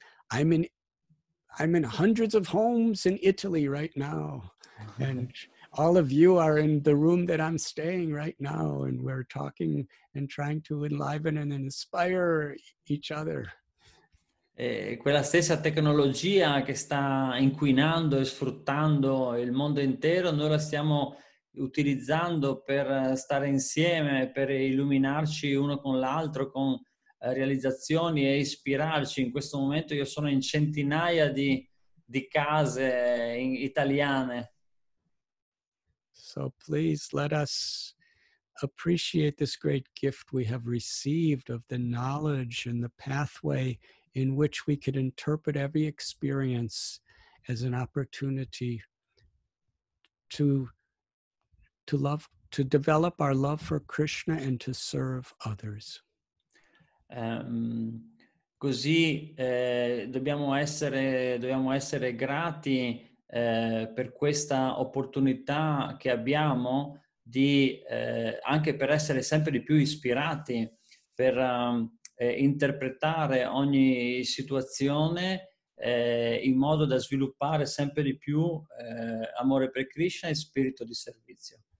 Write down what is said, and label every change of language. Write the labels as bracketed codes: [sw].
[en] I'm in hundreds of homes in Italy right now. And all of you are in the room that I'm staying right now. And we're talking and trying to enliven and inspire each other. [it] quella stessa tecnologia che sta inquinando e sfruttando il mondo intero, noi la stiamo utilizzando per stare insieme, per illuminarci uno con l'altro, con realizzazioni e ispirarci. In questo momento io sono in centinaia di case italiane. [en] So please let us appreciate this great gift we have received of the knowledge and the pathway in which we could interpret every experience as an opportunity to love, to develop our love for Krishna and to serve others. [it] Così dobbiamo essere grati per questa opportunità che abbiamo di anche per essere sempre di più ispirati per interpretare ogni situazione in modo da sviluppare sempre di più amore per Krishna e spirito di servizio.